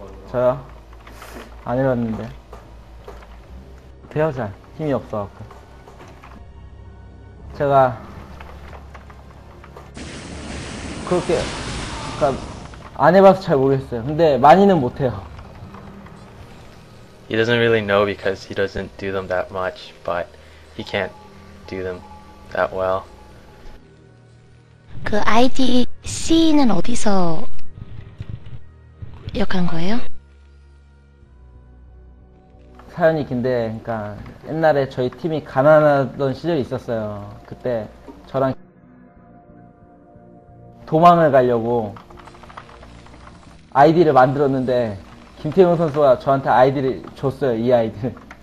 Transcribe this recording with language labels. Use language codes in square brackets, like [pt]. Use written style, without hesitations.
[ko] 저요? 안 해봤는데. 돼요 잘. 힘이 없어갖고. 제가 그렇게 그러니까 안 해봐서 잘 모르겠어요. 근데 많이는 못 해요. [en] He doesn't really know because he doesn't do them that much, but he can't do them that well. [ko] 그 아이디 C는 어디서 역한 거예요? 사연이 긴데, 그러니까 옛날에 저희 팀이 가난하던 시절이 있었어요. 그때 저랑 도망을 가려고 아이디를 만들었는데 김태용 선수가 저한테 아이디를 줬어요, 이 아이디를.